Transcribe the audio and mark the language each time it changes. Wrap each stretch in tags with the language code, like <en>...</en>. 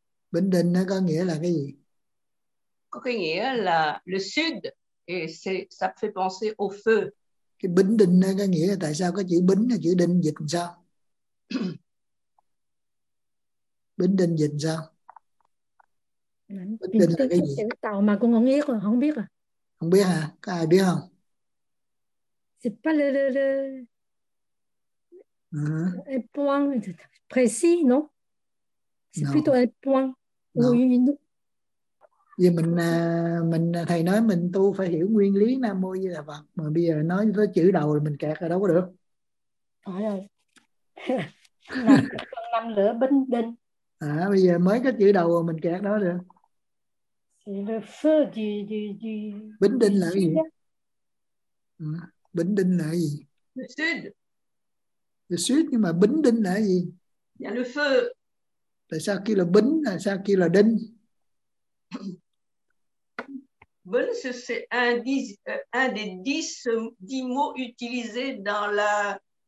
<vi>Bính Đinh nó có nghĩa là cái gì? Có cái nghĩa là</vi> <fr>le sud. Et c'est, ça fait penser au feu.</fr> <vi>Cái bính đinh đó có nghĩa là tại sao có chữ bính là chữ đinh dịch làm sao? Bính đinh dịch sao? Bính đinh là cái gì? Chữ tàu mà con không biết rồi, không biết à? Không biết hả? Có ai biết không?</vi> <fr>C'est pas le le le. Un point précis, non? C'est plutôt un point ou une.</fr> <vi>Vì mình thầy nói mình tu phải hiểu nguyên lý Nam Mô Di Đà Phật, mà bây giờ nói tới chữ đầu là mình kẹt rồi, đâu có được. Năm lửa bình định. À bây giờ mới có chữ đầu rồi mình kẹt đó được.</vi> <fr>Le feu du</fr> <vi>bình định là gì? Bình định là gì?</vi> <fr>Le sud. Le sud,</fr> <vi>nhưng mà bình định là gì?</vi> <fr>Là le feu.</fr> <vi>Tại sao kêu là bình, tại sao kêu là đinh?</vi> <fr>Bon, c'est un des dix mots utilisés dans la</fr>